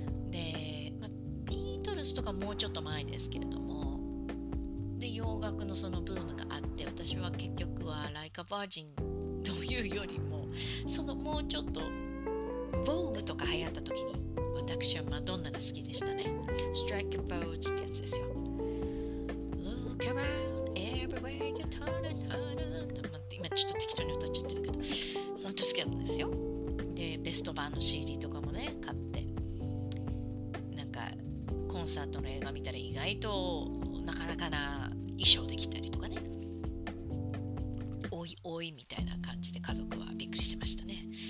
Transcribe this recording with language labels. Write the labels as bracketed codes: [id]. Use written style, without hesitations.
[ja] で、ま、ビートルズとかもうちょっと前ですけれども、で洋楽のそのブームがあって、私は結局は Like a Virgin というよりも、そのもうちょっと Vogue とか流行った時に、私はマドンナが好きでしたね。 [en] Strike a pose [ja] ってやつですよ。 [en] Look around everywhere you turn and turn。 [ja] 今ちょっと適当に歌っちゃってるけど、本当好きだったんですよ。でベスト版の CD とかもね買って、なんかコンサートの映画見たら意外となかなかな衣装できたりとかね、おいおいみたいな感じで家族はびっくりしてましたね。